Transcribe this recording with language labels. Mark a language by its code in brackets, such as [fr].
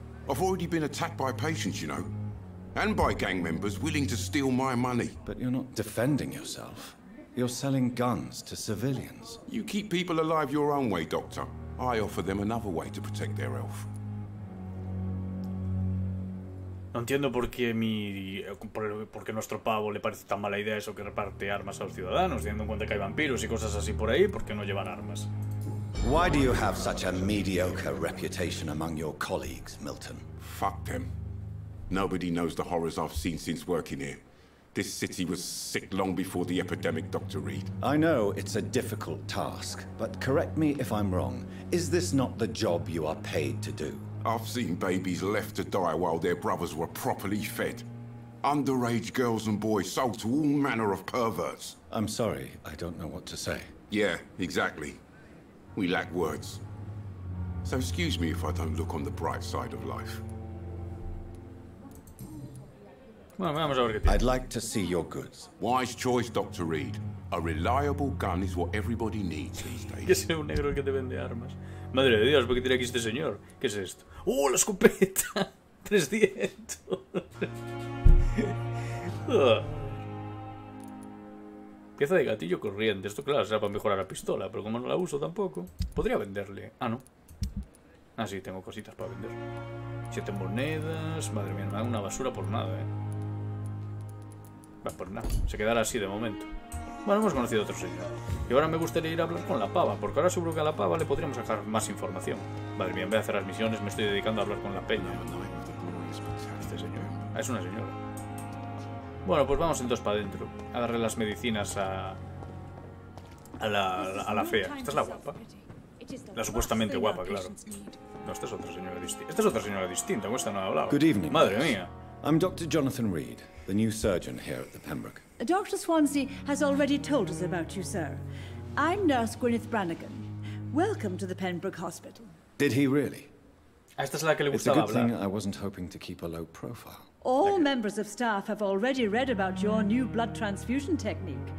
[en] I've already been attacked by patients, you know. And by gang members willing to steal my money. But you're not defending yourself. You're selling guns to civilians. You keep people alive your own way, Doctor. I offer them another way to protect their health. [es] No entiendo por qué nuestro pavo le parece tan mala idea eso que reparte armas a los ciudadanos, teniendo en cuenta que hay vampiros y cosas así por ahí, ¿por qué no llevan armas? [en] Why do you have such a mediocre reputation among your colleagues, Milton? Fuck them. Nobody knows the horrors I've seen since working here. This city was sick long before the epidemic, Dr. Reed. I know it's a difficult task, but correct me if I'm wrong. Is this not the job you are paid to do? I've seen babies left to die while their brothers were properly fed. Underage girls and boys sold to all manner of perverts. I'm sorry, I don't know what to say. Yeah, exactly. We lack words. So excuse me if I don't look on the bright side of life. I'd like to see your goods. Wise choice, Dr. Reed. A reliable gun is what everybody needs these days. [es] Que sea un negro el que te vende armas. Madre de Dios, ¿por qué tiene aquí este señor? ¿Qué es esto? ¡Oh, la escopeta! 300. Pieza de gatillo corriente. Esto, claro, será para mejorar la pistola, pero como no la uso tampoco, podría venderle. Ah, no. Ah, sí, tengo cositas para vender. 7 monedas. Madre mía, no hago una basura por nada, eh. Pues nada, se quedará así de momento. Bueno, hemos conocido a otro señor. Y ahora me gustaría ir a hablar con la pava, porque ahora seguro que a la pava le podríamos sacar más información. Madre mía, en vez de hacer las misiones, me estoy dedicando a hablar con la peña. Este señor. Ah, es una señora. Bueno, pues vamos entonces para adentro. A darle las medicinas a la fea. Esta es la guapa. La supuestamente guapa, claro. No, esta es otra señora distinta. Esta es otra señora distinta, con esta no he hablado. Madre mía. [en] I'm Dr. Jonathan Reed. the new surgeon here at the Pembroke. Dr. Swansea has already told us about you, sir. I'm Nurse Gwyneth Branigan. Welcome to the Pembroke Hospital. Did he really? [es] Esta es la que le gustaba hablar. [en] It's a good thing I wasn't hoping to keep a low profile. All members of staff have already read about your new blood transfusion technique.